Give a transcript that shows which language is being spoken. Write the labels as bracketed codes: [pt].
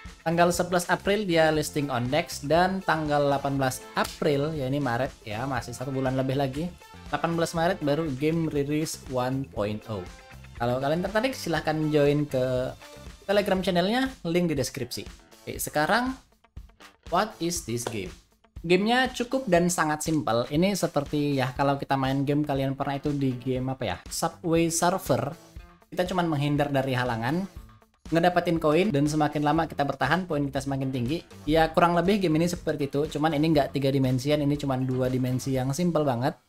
[id] Tanggal 11 April dia listing on DEX. Dan tanggal 18 April, ya ini Maret ya, masih 1 bulan lebih lagi. 18 Maret baru game release 1.0. Kalau kalian tertarik silahkan join ke Telegram channelnya, link di deskripsi. Oke, sekarang [en] what is this game? [id] Gamenya cukup dan sangat simpel. Ini seperti ya kalau kita main game, kalian pernah itu di game apa ya, Subway Surfer. Kita cuma menghindar dari halangan, ngedapetin koin, dan semakin lama kita bertahan, poin kita semakin tinggi. Ya kurang lebih game ini seperti itu. Cuman ini nggak 3 dimensi, ini cuma 2 dimensi yang simpel banget.